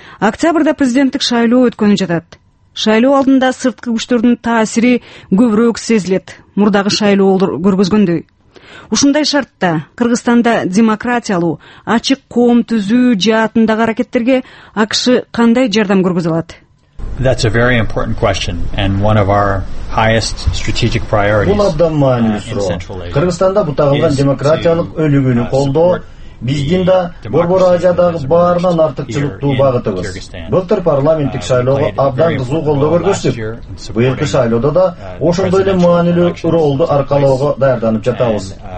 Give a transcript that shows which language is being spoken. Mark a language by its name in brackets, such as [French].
[Kyrgyz] Октябрда президенттик шайлоо өткөнү жатат. Шайлоо алдында сырткы күчтөрдүн таасири көбүрөөк сезилет, мурдагы шайлоолор көргөзгөндөй. Ушундай шартта Кыргызстанда демократиялуу, ачык коом түзүү жаатындагы аракеттерге АКШ кандай жардам көргөзө алат? [English] That's a very important question and one of our highest strategic priorities. [Kyrgyz] Бул абдан маанилүү суроо. Кыргызстанда бутагылган демократиялык өнүгүүнү колдоо биздин да борбор Азиядагы баарынан артыкчылыктуу багытыбыз. Былтыр парламенттик шайлоого абдан кызуу колдоо көрсөттүк. Быйылкы шайлоодо да ошондой эле маанилүү ролду аркалоого даярданып жатабыз.